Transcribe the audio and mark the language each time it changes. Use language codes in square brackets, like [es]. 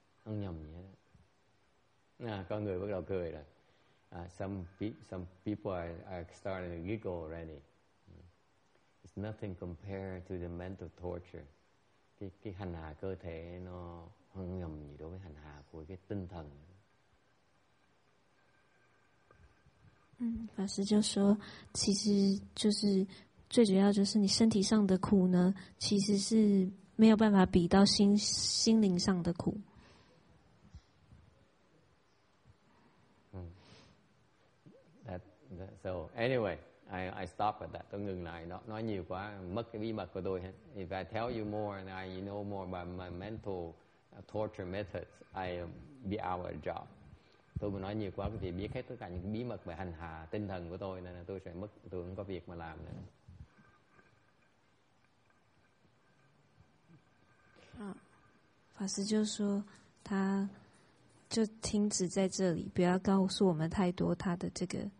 [vi] Không nhầm gì hết. Con người bắt đầu cười rồi. [en] Some people are starting to giggle already. It's nothing compared to the mental torture. [vi] Cái hành hạ cơ thể nó hơn ngầm gì đối với hành hạ của cái tinh thần. [zh] Ừ, 法师就说，其实就是最主要就是你身体上的苦呢，其实是没有办法比到心灵上的苦。 [en] So anyway, I stop at that. [vi] Tôi ngừng lại. Nói nhiều quá, mất cái bí mật của tôi. [en] If I tell you more and I know more about my mental torture methods, I be out of job. [vi] Tôi mà nói nhiều quá, quý vị biết hết tất cả những bí mật về hành hạ tinh thần của tôi nên là tôi sẽ mất, tôi không có việc mà làm nữa. [zh] Pháp sư 就说，他就停止在这里， 不要告诉我们太多他的这个。